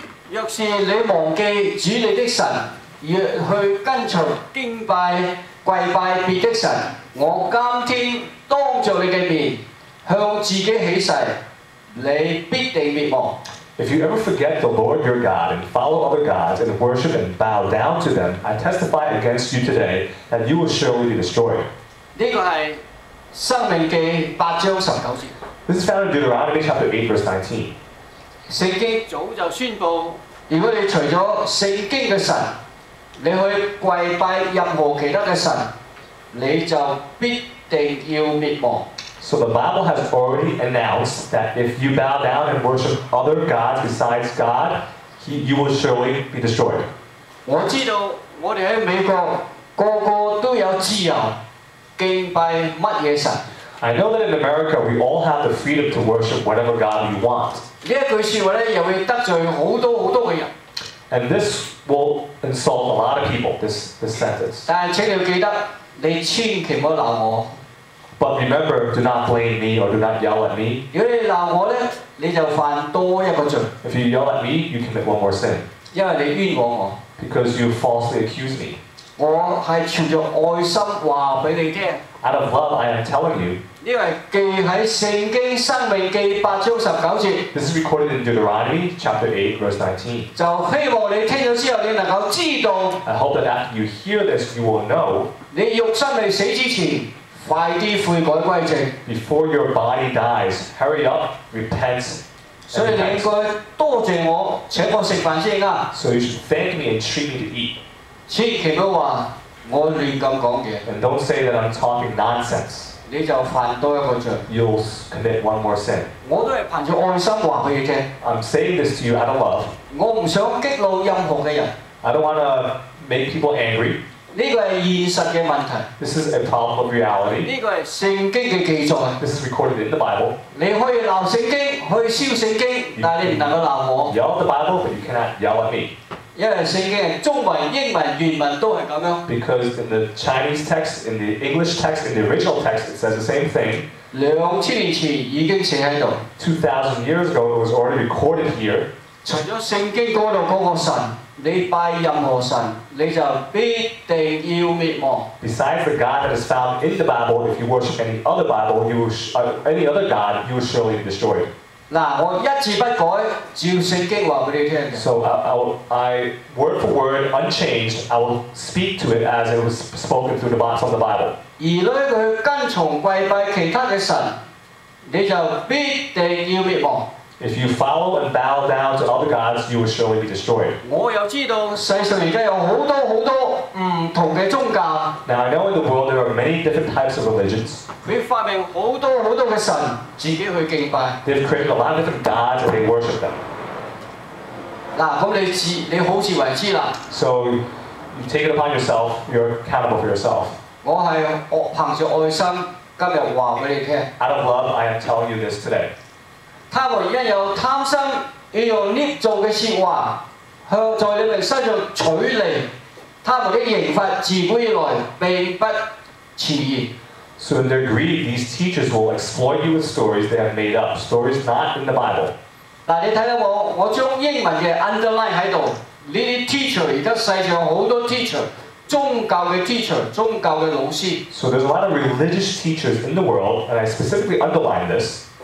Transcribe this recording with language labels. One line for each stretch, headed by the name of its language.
Chinese: 若是你忘记主你的神，若去跟从敬拜跪拜别的神，我今天当着你的面向自己起誓，你必定灭亡。
English: If you ever forget the Lord your God and follow other gods and worship and bow down to them, I testify against you today that you will surely be destroyed. This is found in Deuteronomy chapter 8, verse 19.
Chinese: 聖經早就宣布，如果你除了聖經的神，你去跪拜任何其他的神，你就必定要滅亡。
English: So the Bible has already announced that if you bow down and worship other gods besides God, you will surely be destroyed.
Chinese: 我知道我们在美国个个都有自由敬拜什么神。
English: I know that in America, we all have the freedom to worship whatever God we want.
Chinese: 这句说话又会得罪很多很多的人。
English: And this will insult a lot of people, this sentence.
Chinese: 但请你记得，你千万不要闹我。
English: But remember, do not blame me or do not yell at me.
Chinese: 如果你闹我呢，你就犯多一个罪。
English: If you yell at me, you commit one more sin.
Chinese: 因为你冤枉我。
English: Because you falsely accuse me.
Chinese: 我是存着爱心告诉你听。
English: Out of love, I am telling you.
Chinese: 因为记在圣经生命记八章十九节。
English: This is recorded in Deuteronomy chapter 8, verse 19.
Chinese: 就希望你听了之后，你能够知道。
English: I hope that after you hear this, you will know.
Chinese: 你肉身未死之前。快啲悔改歸正。
English: Before your body dies, hurry up, repent.
Chinese: 所以你應該多謝我，請我食飯先啦。
English: So you should thank me and treat me to eat.
Chinese: 千祈唔好話我亂咁講嘅。
English: And don't say that I'm talking nonsense.
Chinese: 你就犯多一個罪。
English: You'll commit one more sin.
Chinese: 我都係憑住愛心話俾你聽。
English: I'm saying this to you out of love.
Chinese: 我唔想激怒任何嘅人。
English: I don't want to make people angry.
Chinese: 这个是现实的问题。
English: This is a problem of reality.
Chinese: 这个是圣经的记载。
English: This is recorded in the Bible.
Chinese: 你可以闹圣经，可以烧圣经，但你不能够闹我。
English: Yell the Bible, but you cannot yell at me.
Chinese: 因为圣经中文、英文、原文都是这样。
English: Because in the Chinese text, in the English text, in the original text, it says the same thing.
Chinese: 2000年前已经写在这里。
English: 2000 years ago, it was already recorded here.
Chinese: 除了圣经那里那个神。你拜任何神，你就必定要滅亡。
English: Besides the God that is found in the Bible, if you worship any other God, you will surely be destroyed.
Chinese: 嗱，我一字不改，照聖經話俾你聽。
English: So I word for word unchanged, I will speak to it as it was spoken through the books of the Bible.
Chinese: 而如果佢跟從跪拜其他嘅神，你就必定要滅亡。
English: If you follow and bow down to other gods, you will surely be destroyed.
Chinese: 我又知道世上现在有好多好多唔同嘅宗教。
English: Now I know in the world there are many different types of religions.
Chinese: 佢发明好多好多嘅神，自己去敬拜。
English: They've created a lot of different gods and they worship them.
Chinese: 嗱，咁你好自为之啦。
English: So you take it upon yourself. You're accountable for yourself.
Chinese: 我系凭住爱心今日话俾你听。
English: Out of love, I am telling you this today.
Chinese: 他们因有贪心，要用捏造的说话，向在你们身上取利，他们的刑罚自古以来并不迟延。
English: So in their greed, these teachers will exploit you with stories they have made up, stories not in the Bible.
Chinese: 嗱，你睇下我将英文嘅 underline 喺度，呢啲 teacher 而家世上好多 teacher。宗教的 teacher, 宗教的老师。
English: So there's a lot of religious teachers in the world, and I specifically underline this.